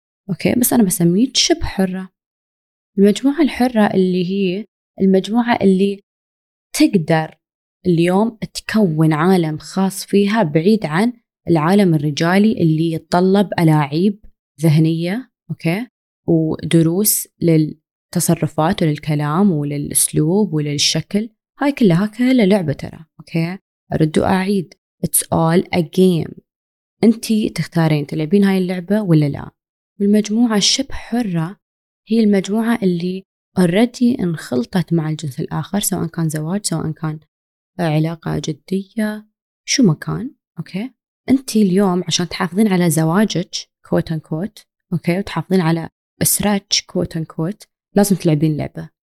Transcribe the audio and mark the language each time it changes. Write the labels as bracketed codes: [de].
[ar] أوكي، بس أنا بسميه شبه حرة. المجموعة الحرة اللي هي المجموعة اللي تقدر اليوم تكون عالم خاص فيها بعيد عن العالم الرجالي اللي يتطلب ألاعيب ذهنية أوكي ودروس للتصرفات وللكلام وللأسلوب وللشكل. هاي كلها كلها لعبة ترى. أوكي، أرد وأعيد، [en] It's all a game. [ar] أنت تختارين تلعبين هاي اللعبة ولا لا. والمجموعة الشبه حرة هي المجموعة اللي already انخلطت مع الجنس الآخر، سواء كان زواج، سواء كان علاقة جدية، شو ما كان. أوكي، أنت اليوم عشان تحافظين على زواجك quote unquote أوكي وتحافظين على أسرتك quote unquote لازم تلعبين لعبة.